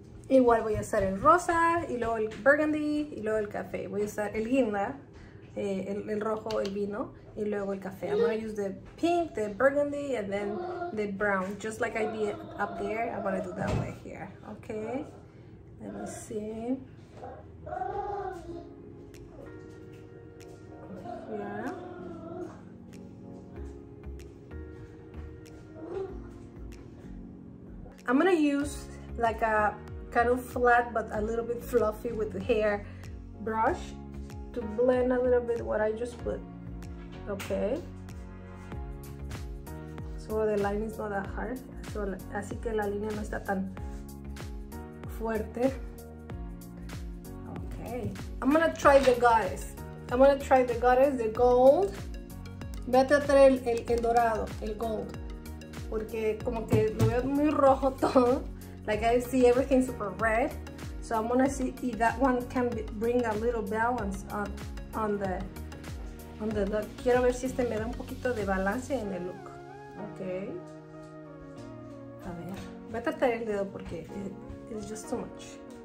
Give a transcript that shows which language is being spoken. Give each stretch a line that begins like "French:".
Spanish: Igual voy a usar el rosa y luego el burgundy y luego el café. Voy a usar el guinda, el rojo, el vino y luego el café.
English: I'm gonna use the pink, the burgundy, and then the brown. Just like I did up there, I'm gonna do that way here. Okay, let me see. Yeah. I'm gonna use like a kind of flat but a little bit fluffy with the hair brush to blend a little bit what I just put, okay? So the line is not that hard, so,
Spanish: así que la línea no está tan fuerte.
English: Okay, I'm gonna try the goddess. I'm gonna try the goddess, the gold.
Spanish: Vete a traer el dorado, el gold. Porque como que lo veo muy rojo todo.
English: Like I see everything super red. So I'm gonna see if that one can bring a little balance on the look.
Spanish: Quiero ver si este me da un poquito de balance en el look. Okay. A ver. Vete a traer el dedo porque
English: it's just too much.